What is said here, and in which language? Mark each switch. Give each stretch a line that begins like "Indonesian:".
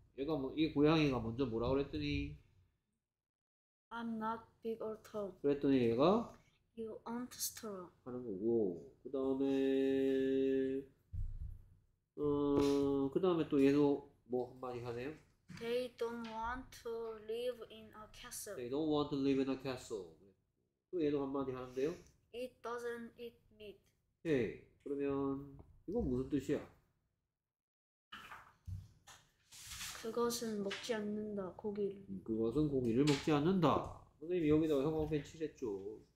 Korean: 얘가 뭐, 이 고양이가 먼저 뭐라 그랬더니
English: I'm not big or tall.
Korean: 얘가
English: You aren't strong.
Korean: 하는 거고, 그 다음에 그 다음에 또 얘도 뭐 한마디 하네요.
English: They don't want to live in a castle. They don't want to live in a castle.
Korean: 또 얘도 한마디 하는데요.
English: It doesn't eat meat.
Korean: 오케이. 그러면 이건 무슨 뜻이야? 그것은 먹지 않는다, 고기를. 그것은 고기를 먹지 않는다. 선생님이 여기다가 형광펜 칠했죠.